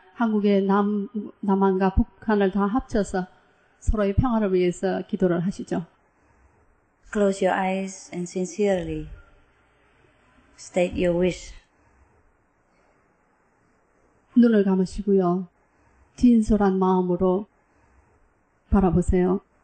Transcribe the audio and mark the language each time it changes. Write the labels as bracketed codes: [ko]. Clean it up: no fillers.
[ko] 한국의 남한과 북한을 다 합쳐서 서로의 평화를 위해서 기도를 하시죠. [en] Close your eyes and sincerely state your wish. [ko] 눈을 감으시고요. 진솔한 마음으로 바라보세요.